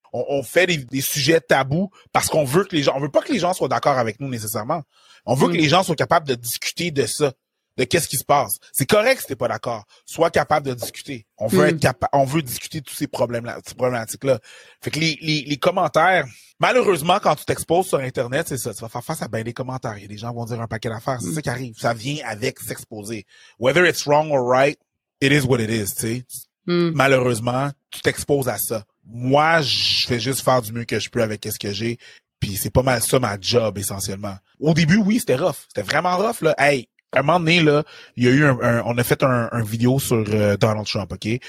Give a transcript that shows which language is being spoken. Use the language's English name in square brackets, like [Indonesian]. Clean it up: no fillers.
[French] On fait des sujets tabous parce qu'on veut que les gens, on veut pas que les gens soient d'accord avec nous, nécessairement. On veut que les gens soient capables de discuter de ça. de qu'est-ce qui se passe. C'est correct si t'es pas d'accord. Sois capable de discuter. On veut être capable, on veut discuter de tous ces problèmes-là, ces problématiques-là. Fait que les commentaires, malheureusement, quand tu t'exposes sur Internet, c'est ça, tu vas faire face à ben des commentaires. Il y a des gens qui vont dire un paquet d'affaires. C'est ça qui arrive. Ça vient avec s'exposer. [English] Whether it's wrong or right, it is what it is, tu sais. [French] Malheureusement, tu t'exposes à ça. Moi, je fais juste faire du mieux que je peux avec ce que j'ai. Puis c'est pas mal ça, ma job, essentiellement. Au début, oui, c'était rough. C'était vraiment rough, là. Hey, à un moment donné, là, il y a eu on a fait un vidéo sur Donald Trump, OK?